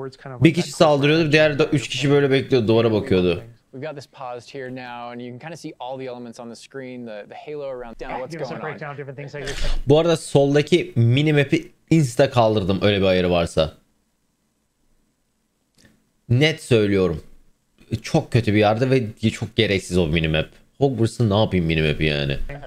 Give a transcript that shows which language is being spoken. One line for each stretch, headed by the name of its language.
Turkish: Bir kişi saldırıyordu, diğer 3 kişi böyle bekliyordu, duvara bakıyordu.
English: We've got this paused here now, and you can kind of see all the elements on the screen, the halo around. Down, what's going on?
Turkish: Bu arada soldaki mini map'i insta kaldırdım, öyle bir ayarı varsa. Net söylüyorum. Çok kötü bir yerde ve çok gereksiz o minimap. Hogwarts'ın ne yapayım minimap'i yani.